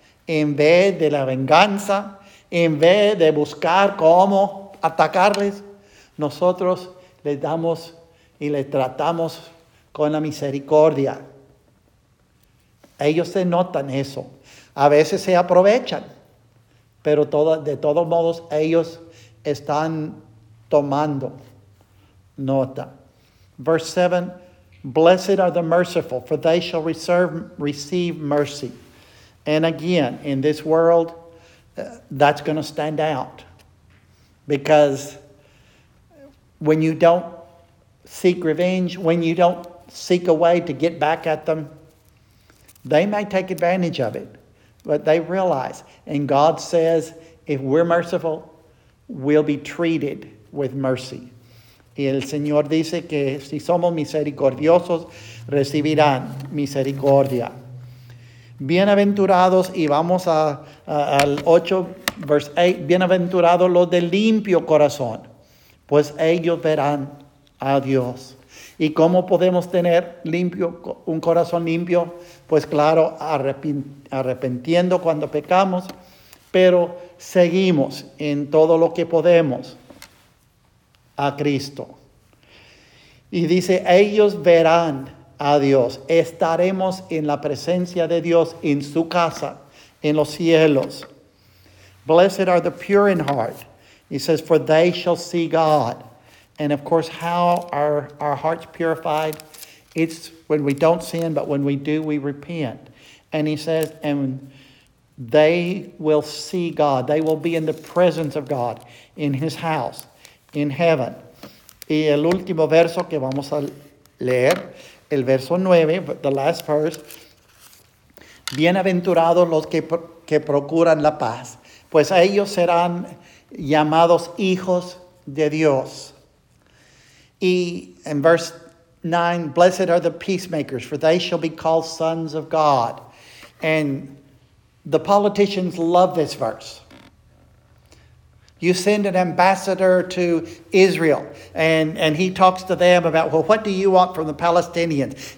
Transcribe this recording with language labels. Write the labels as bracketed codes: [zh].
[es] En vez de la venganza, en vez de buscar cómo atacarles, nosotros les damos y les tratamos con la misericordia. Ellos se notan eso. A veces se aprovechan, pero de todos modos ellos están tomando nota. [en] Verse 7, blessed are the merciful, for they shall receive mercy. And again, in this world, that's going to stand out. Because when you don't seek revenge, when you don't seek a way to get back at them, they may take advantage of it. But they realize, and God says, if we're merciful, we'll be treated with mercy. [es] Y el Señor dice que si somos misericordiosos, recibirán misericordia. Bienaventurados, y vamos al 8, [en] verse 8, [es] bienaventurados los de limpio corazón, pues ellos verán a Dios. ¿Y cómo podemos tener limpio, un corazón limpio? Pues claro, arrepintiendo cuando pecamos, pero seguimos en todo lo que podemos a Cristo. Y dice, ellos verán a Dios. Estaremos en la presencia de Dios en su casa, en los cielos. [en] Blessed are the pure in heart. He says, for they shall see God. And of course, how are our hearts purified? It's when we don't sin, but when we do, we repent. And he says, and they will see God. They will be in the presence of God in his house, in heaven. [es] Y el último verso que vamos a leer, el verso 9, [en] the last verse. [es] Bienaventurados los que procuran la paz, pues ellos serán llamados hijos de Dios. [en] Y in verse 9, blessed are the peacemakers, for they shall be called sons of God. And the politicians love this verse. You send an ambassador to Israel, and he talks to them about, well, what do you want from the Palestinians?